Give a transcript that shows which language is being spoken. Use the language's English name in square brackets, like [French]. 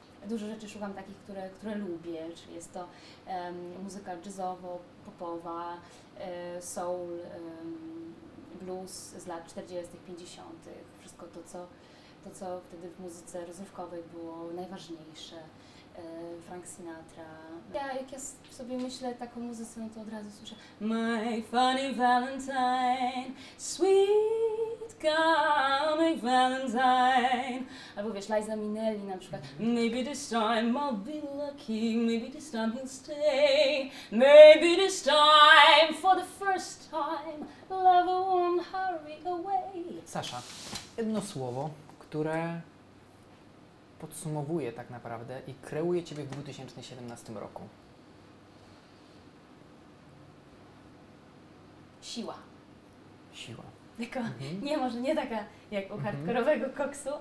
[Polish] Dużo rzeczy szukam takich, które lubię, czyli jest to muzyka jazzowo-popowa, soul, blues z lat 40., 50., wszystko to, co wtedy w muzyce rozrywkowej było najważniejsze, Frank Sinatra. Ja, jak ja sobie myślę taką muzykę, no to od razu słyszę [English] My funny Valentine, sweet coming Valentine. [Polish] Albo wiesz, Liza Minnelli na przykład. [English] Maybe this time I'll be lucky, maybe this time he'll stay, maybe this time for the first time love won't hurry away. [Polish] Sasza, jedno słowo, które podsumowuje tak naprawdę i kreuje Ciebie w 2017 roku? Siła. Siła. Tylko nie, może nie taka jak u hardkorowego koksu.